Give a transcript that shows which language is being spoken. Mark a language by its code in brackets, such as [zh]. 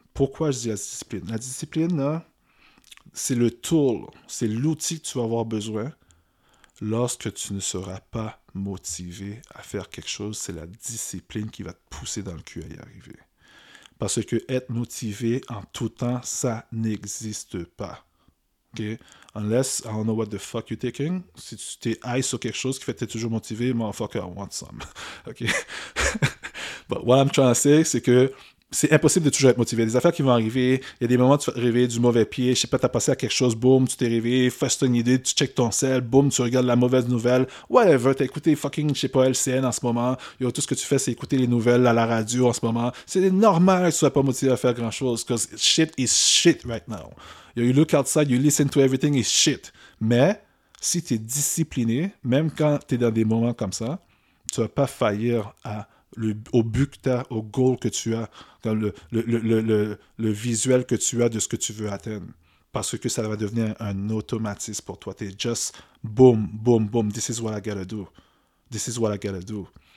[fr] Pourquoi je dis la discipline? La discipline, là, c'est le tool, c'est l'outil que tu vas avoir besoin Lorsque tu ne seras pas motivé à faire quelque chose, c'est la discipline qui va te pousser dans le cul à y arriver. Parce que être motivé en tout temps, ça n'existe pas. OK? [en] Unless, I don't know what the fuck you're taking. [fr] Si tu t'es high sur quelque chose qui fait que t'es toujours motivé, motherfucker, [en] I want some. [fr] OK? [en] But what I'm trying to say, [fr] c'est que c'est impossible de toujours être motivé. Il y a des affaires qui vont arriver. Il y a des moments où tu vas te réveiller du mauvais pied. Je sais pas, t'as passé à quelque chose. Boom, tu t'es réveillé. Fais une idée. Tu check ton cell. Boom, tu regardes la mauvaise nouvelle. Whatever. T'as écouté fucking, je sais pas, LCN en ce moment. Yo, tout ce que tu fais, c'est écouter les nouvelles à la radio en ce moment. C'est normal que tu sois pas motivé à faire grand chose. [en] Cause shit is shit right now. Yo, you look outside, you listen to everything is shit. [fr] Mais si t'es discipliné, même quand t'es dans des moments comme ça, tu vas pas faillir au but que t'as, au goal que tu as, dans le visuel que tu as de ce que tu veux atteindre. Parce que ça va devenir un automatisme pour toi. [en] T'es just boom, boom, boom. This is what I gotta do. This is what I gotta do.